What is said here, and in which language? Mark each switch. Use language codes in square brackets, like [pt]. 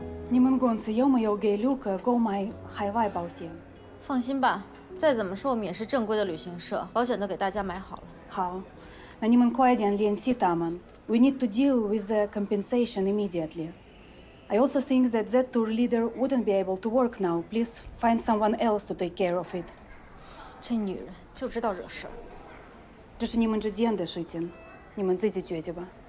[zh] 你们公司有没有给旅客购买海外保险？放心吧，再怎么说我们也是正规的旅行社，保险都给大家买好了。好，那你们快点联系他们。 [en] We need to deal with the compensation immediately. I also think that that tour leader wouldn't be able to work now. Please find someone else to take care of it. [zh] 这女人就知道惹事儿。这是你们之间的事情，你们自己解决吧。